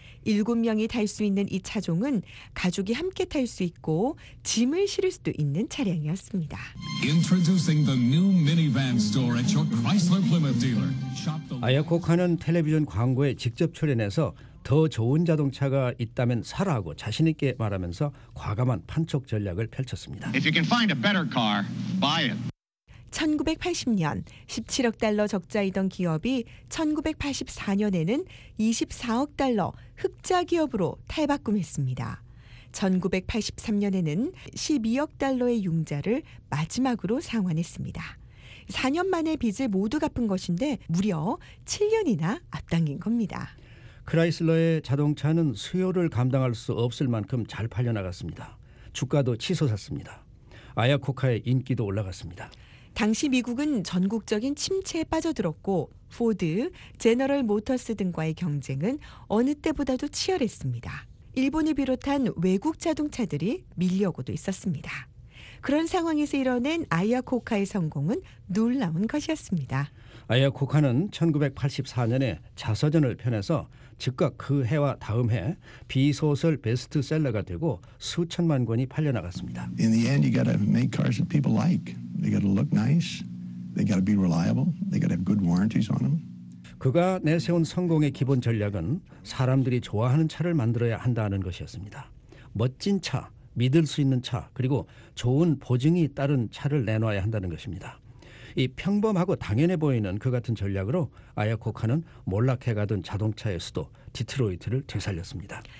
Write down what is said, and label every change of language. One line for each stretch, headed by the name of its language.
Korean: 7명이 탈 수 있는 이 차종은 가족이 함께 탈 수 있고 짐을 실을 수도 있는 차량이었습니다.
English: Introducing the new minivan store at your Chrysler Plymouth dealer.
Korean: 아야코카는 텔레비전 광고에 직접 출연해서 더 좋은 자동차가 있다면 사라고 자신 있게 말하면서 과감한 판촉 전략을 펼쳤습니다.
English: If you can find a better car, buy it.
Korean: 1980년 17억 달러 적자이던 기업이 1984년에는 24억 달러 흑자 기업으로 탈바꿈했습니다. 1983년에는 12억 달러의 융자를 마지막으로 상환했습니다. 4년 만에 빚을 모두 갚은 것인데 무려 7년이나 앞당긴 겁니다. 크라이슬러의 자동차는 수요를 감당할 수 없을 만큼 잘 팔려나갔습니다. 주가도 치솟았습니다. 아야코카의 인기도 올라갔습니다. 당시 미국은 전국적인 침체에 빠져들었고 포드, 제너럴 모터스 등과의 경쟁은 어느 때보다도 치열했습니다. 일본을 비롯한 외국 자동차들이 밀려오고도 있었습니다. 그런 상황에서 이뤄낸 아이아코카의 성공은 놀라운 것이었습니다. 아이아코카는 1984년에 자서전을 펴내서 즉각 그 해와 다음 해 비소설 베스트셀러가 되고 수천만 권이 팔려나갔습니다.
English: In the end, you gotta make cars that people like. They gotta look nice. They gotta be reliable. They gotta have good warranties on them.
Korean: 그가 내세운 성공의 기본 전략은 사람들이 좋아하는 차를 만들어야 한다는 것이었습니다. 멋진 차, 믿을 수 있는 차, 그리고 좋은 보증이 따른 차를 내놓아야 한다는 것입니다. 이 평범하고 당연해 보이는 그 같은 전략으로 아야코카는 몰락해가던 자동차의 수도 디트로이트를 되살렸습니다.